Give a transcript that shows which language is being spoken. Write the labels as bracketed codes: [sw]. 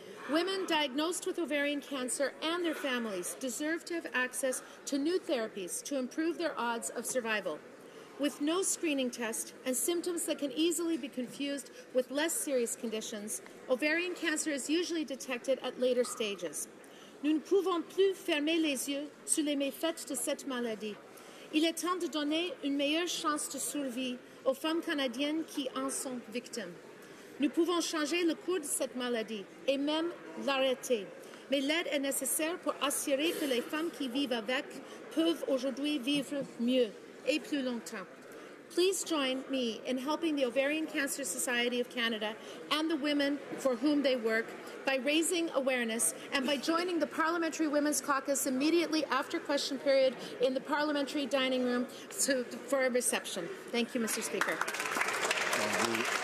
[en] Women diagnosed with ovarian cancer and their families deserve to have access to new therapies to improve their odds of survival. With no screening test and symptoms that can easily be confused with less serious conditions, ovarian cancer is usually detected at later stages. [fr] Nous ne pouvons plus fermer les yeux sur les méfaits de cette maladie. Il est temps de donner une meilleure chance de survie aux femmes canadiennes qui en sont victimes. Nous pouvons changer le cours de cette maladie et même l'arrêter. Mais l'aide est nécessaire pour assurer que les femmes qui vivent avec peuvent aujourd'hui vivre mieux et plus longtemps. [en] Please join me in helping the Ovarian Cancer Society of Canada and the women for whom they work by raising awareness and by joining the Parliamentary Women's Caucus immediately after question period in the Parliamentary Dining Room for a reception. Thank you, Mr. Speaker. Thank you.